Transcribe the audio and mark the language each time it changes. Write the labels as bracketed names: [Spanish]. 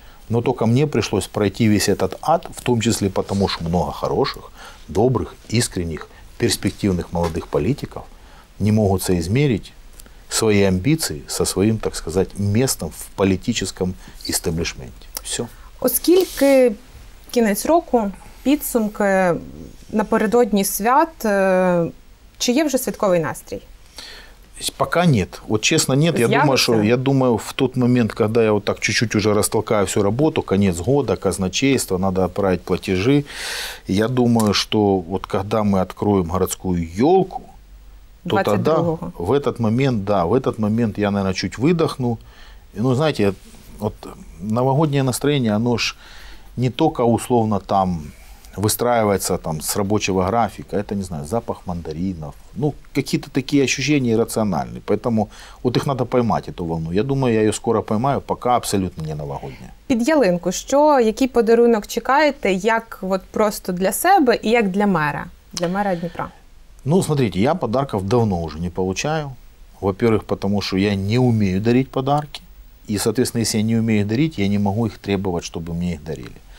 [Russian] Но только мне пришлось пройти весь этот ад, в том числе потому, что много хороших, добрых, искренних, перспективных молодых политиков не могут соизмерить свои амбиции со своим, так сказать, местом в политическом істеблішменті. Все. [Ukrainian] Оскільки кінець року, підсумки, напередодні свят, чи є вже святковий настрій? [Russian] Пока нет. Вот честно, нет. Я думаю, в тот момент, когда я вот так чуть-чуть уже растолкаю всю работу, конец года, казначейство, надо отправить платежи, я думаю, что вот когда мы откроем городскую елку, то 22-го. Тогда в этот момент я, наверное, чуть выдохну. И, ну, знаете, вот новогоднее настроение, оно ж не только условно там выстраивается там с рабочего графика, это, не знаю, запах мандаринов, ну, какие-то такие ощущения иррациональные. Поэтому вот их надо поймать, эту волну. Я думаю, я ее скоро поймаю, пока абсолютно не новогодняя. [Ukrainian] Під ялинку, що, який подарунок чекаєте, як вот просто для себе і як для мера Дніпра? [Russian] Ну, смотрите, я подарков давно уже не получаю. Во-первых, потому что я не умею дарить подарки. И, соответственно, если я не умею их дарить, я не могу их требовать, чтобы мне их дарили.